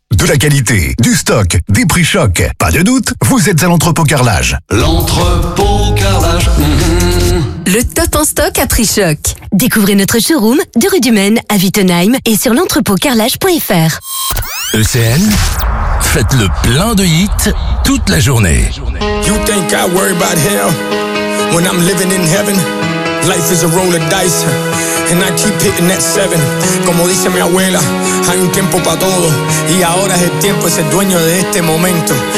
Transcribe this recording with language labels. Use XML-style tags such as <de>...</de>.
<fr>De la qualité, du stock, des prix choc. Pas de doute, vous êtes à l'entrepôt carrelage. L'entrepôt carrelage. Le top en stock à prix choc. Découvrez notre showroom de rue du Maine à Wittenheim et sur l'entrepôtcarrelage.fr. ECN, faites le plein de hits toute la journée.</fr> <en>You think I worry about hell when I'm living in heaven? Life is a roll of dice and I keep hitting that seven.</en> <es>Como dice mi abuela, hay un tiempo para todo y ahora es el tiempo, es el dueño de este momento.</es>